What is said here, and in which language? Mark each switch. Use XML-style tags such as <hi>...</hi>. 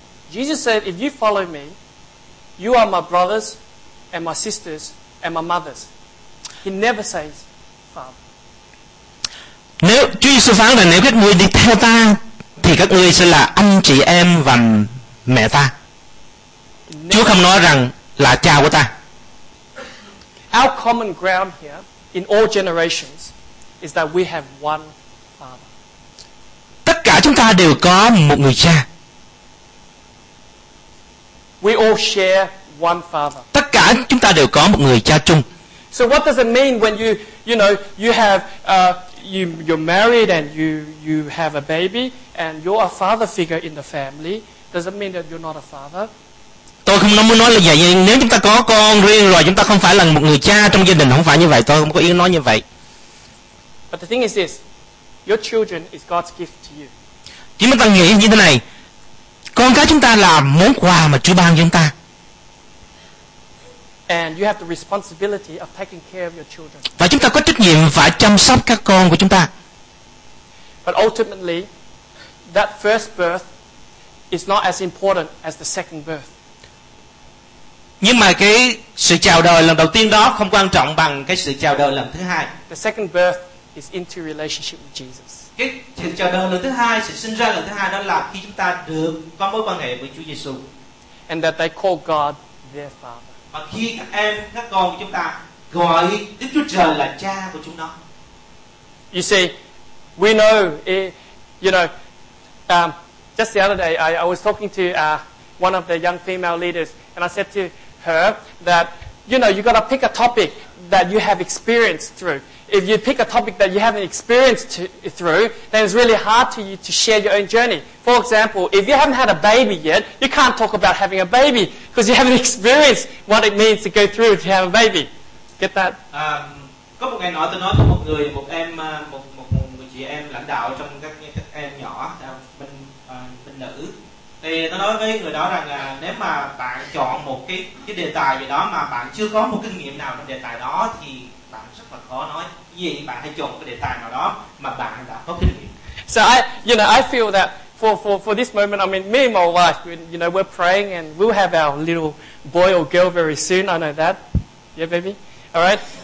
<en>Jesus said, if you follow me, you are my brothers and my sisters and my mothers. He never says, Father.</en> <vi>Nếu Chúa Giêsu phán là nếu các ngươi đi theo ta, thì các ngươi sẽ là anh chị em và mẹ ta. Chúa không nói rằng là cha của ta.</vi> <en>Our common ground here in all generations is that we have one father.</en> <vi>Tất cả chúng ta đều có một người cha.</vi> <en>We all share one father.</en> <vi>Tất cả chúng ta đều có một người cha chung.</vi> <en>So what does it mean when you're married and you have a baby and you're a father figure in the family? Does it mean that you're not a father?</en> <vi>Tôi không muốn nói là vậy, nhưng nếu chúng ta có con riêng rồi, chúng ta không phải là một người cha trong gia đình, không phải như vậy, tôi không có ý nói như vậy.</vi> <en>But the thing is this, your children is God's gift to you.</en> <vi>Chúng ta nghĩ như thế này, con cái chúng ta là món quà mà Chúa ban cho chúng ta.</vi> <en>And you have the responsibility of taking care of your children.</en> <vi>Và chúng ta có trách nhiệm phải chăm sóc các con của chúng ta.</vi> <en>But ultimately, that first birth is not as important as the second birth.</en> <vi>Nhưng mà cái sự chào đời lần đầu tiên đó không quan trọng bằng cái sự chào đời lần thứ hai.</vi> <en>The second birth is into relationship with Jesus.</en> <vi>Cái sự chào đời lần thứ hai, sự sinh ra lần thứ hai đó là khi chúng ta được có mối quan hệ với Chúa Giêsu.</vi> <en>And that they call God their father.</en> <vi>Và khi các con của chúng ta gọi Đức Chúa Trời là cha của chúng nó.</vi> <en>You see, we know, just the other day I was talking to one of the young female leaders, and I said to her that, you got to pick a topic that you have experienced through. If you pick a topic that you haven't experienced through, then it's really hard to you to share your own journey. For example, if you haven't had a baby yet, you can't talk about having a baby because you haven't experienced what it means to go through to have a baby. Get that?</en> <vi>Có một ngày nọ tôi nói với một người, một em, một chị em lãnh đạo trong các em nhỏ, bên nữ. Thì tôi nói với người đó rằng là nếu mà bạn chọn một cái đề tài gì đó mà bạn chưa có một kinh nghiệm nào trong đề tài đó thì bạn rất là khó nói. Vì bạn hãy chọn một cái đề tài nào đó mà bạn đã có kinh nghiệm.</vi> <en>So I feel that for this moment, I mean, me and my wife, we're praying and we'll have our little boy or girl very soon. I know that. Yeah, baby. All right.</en>